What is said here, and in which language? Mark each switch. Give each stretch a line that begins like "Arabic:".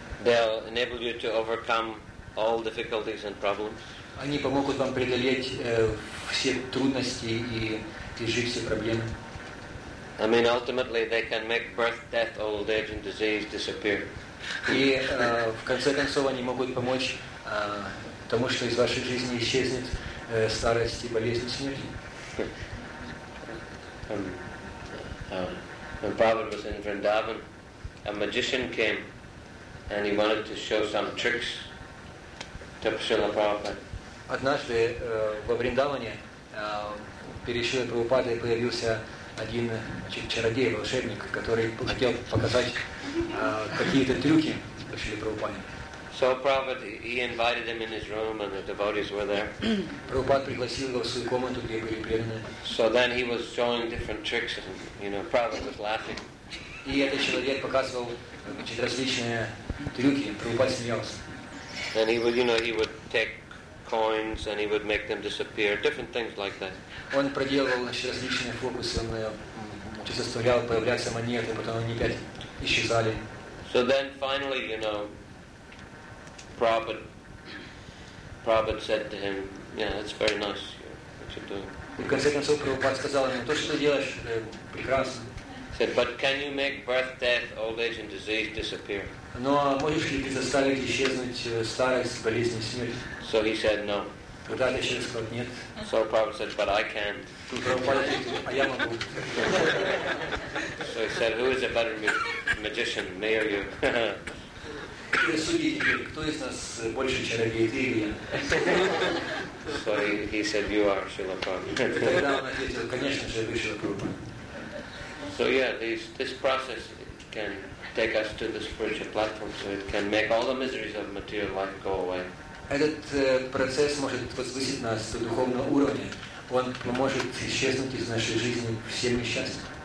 English: They'll enable you to overcome all difficulties and problems.
Russian: Они помогут вам преодолеть все трудности и решить все проблемы.
English: I mean, ultimately, they can make birth, death, old age, and disease disappear.
Russian: И в конце концов они могут помочь тому, что из вашей жизни исчезнет старость и болезнь смерти.
English: When Prabhupada was in Vrindavan, a magician came and he wanted to show some tricks to Srila Prabhupada.
Russian: Однажды во Вриндаване перед Шрилой Прабхупадой появился один чародей, волшебник, который хотел показать какие-то трюки Шриле Прабхупаде.
English: So Prabhupada, he invited him in his room and the devotees were there.
Russian: Прабхупад пригласил его в свою комнату, где были преданные.
English: So then he was showing different tricks and, you know, Prabhupada was laughing.
Russian: И этот человек показывал различные трюки, Прабхупад смеялся.
English: And he would, you know, he would take coins and he would make them disappear, different things like that.
Russian: Он проделывал различные фокусы, он заставлял появляться монеты, потом они опять исчезали.
English: So then finally, you know, Prabhupada said to him, yeah, that's very nice what you're doing.
Russian: И в конце концов Прабхупада сказал ему, то, что ты делаешь, прекрасно.
English: He said, but can you make birth, death, old age and disease disappear?
Russian: Но можешь ли ты заставить исчезнуть старость, болезнь и смерть?
English: So he said no.
Russian: Тогда еще раз сказал нет.
English: So Prabhupada said, but I can.
Russian: Прабхупада говорит, а я могу.
English: So he said, who is a better magician, me or you?
Russian: Судите, кто из нас больше чародей, ты или я?
English: So he said, you are Srila Prabhupada.
Russian: Тогда он ответил, конечно же, вы Srila Prabhupada.
English: So yeah, this process can take us to the spiritual platform, so it can make all the miseries of material life go away.
Russian: Этот процесс может возвысить нас до духовного уровня. Он поможет исчезнуть из нашей жизни все несчастья.